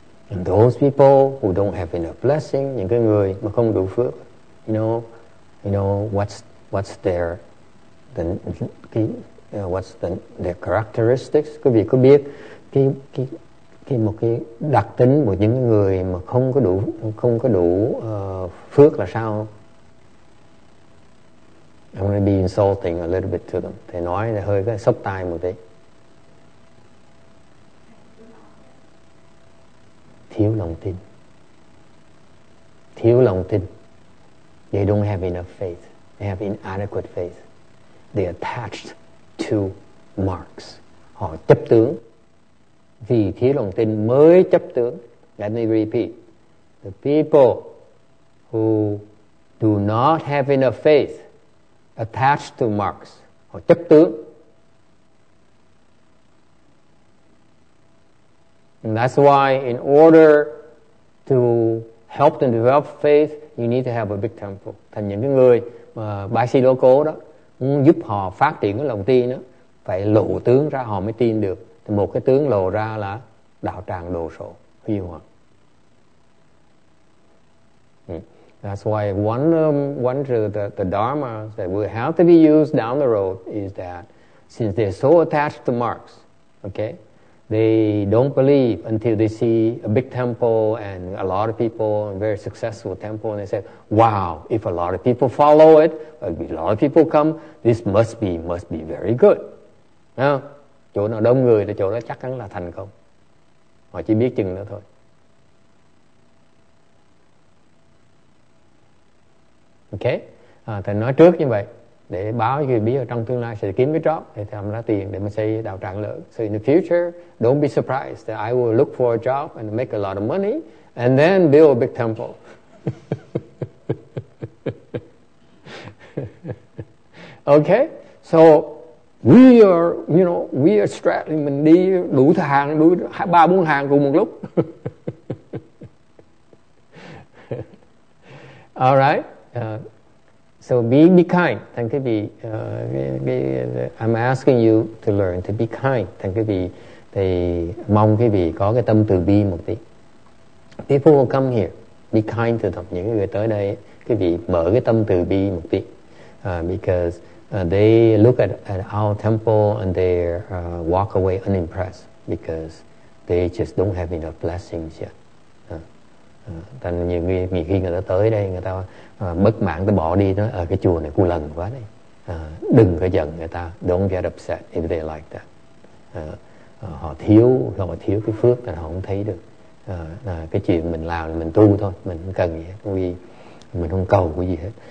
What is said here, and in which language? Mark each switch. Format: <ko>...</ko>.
<en>And those people who don't have enough blessing,</en> <vi>những cái người mà không đủ phước,</vi> <en>you know what's their characteristics.</en> <vi>Quý vị có biết cái một cái đặc tính của những người mà không có đủ phước là sao?</vi> <en>I'm going to be insulting a little bit to them.</en> <vi>Thầy nói là hơi cái sốc tai một tí. Thiếu lòng tin.</vi> <en>They don't have enough faith. They have inadequate faith. They are attached to marks.</en> <vi>Họ chấp tướng. Vì thiếu lòng tin mới chấp tướng.</vi> <en>Let me repeat. The people who do not have enough faith attached to marks.</en> <vi>Họ chấp tướng.</vi> <en>And that's why in order to help them develop faith, you need to have a big temple.</en> <vi>Thành những cái người mà bái si lô cố đó, giúp họ phát triển cái lòng tin đó, phải lộ tướng ra họ mới tin được. Thì một cái tướng lộ ra là đạo tràng đồ sộ. Huy hoàng.</vi> <en>That's why one of the dharma that will have to be used down the road is that since they're so attached to marks, okay, they don't believe until they see a big temple and a lot of people, a very successful temple, and they say, wow, if a lot of people follow it, if a lot of people come, this must be very good. Yeah?</en> <vi>Chỗ nào đông người thì chỗ đó chắc chắn là thành công. Họ chỉ biết chừng đó thôi. Okay? Thầy nói trước như vậy. Để báo cho người biết trong tương lai sẽ kiếm cái job để làm ra tiền để mà xây đạo tràng lớn.</vi> <en>So in the future, don't be surprised that I will look for a job and make a lot of money and then build a big temple. Okay? So we are, you know, we are straddling,</en> <vi>mình đi đủ hàng, đủ 3-4 hàng cùng một lúc.</vi> <en>All right? So be kind. Thank you. I'm asking you to learn to be kind. Thank you.</en> <vi>Thì mong quý vị có cái tâm từ bi một tí.</vi> <en>People will come here. Be kind to them.</en> <vi>Những người tới đây, quý vị mở cái tâm từ bi một tí.</vi> <en>Because they look at our temple and they walk away unimpressed because they just don't have enough blessings yet.</en> <vi>Thành nhiều người khi người ta tới đây, người ta bất mãn, ta bỏ đi, nói ở cái chùa này cu lần quá đấy, đừng có giận người ta,</vi> <en>don't get upset if they like that.</en> <vi>Họ thiếu cái phước thì họ không thấy được. Cái chuyện mình làm là mình tu thôi, mình không cần gì hết. Mình không cầu cái gì hết.</vi>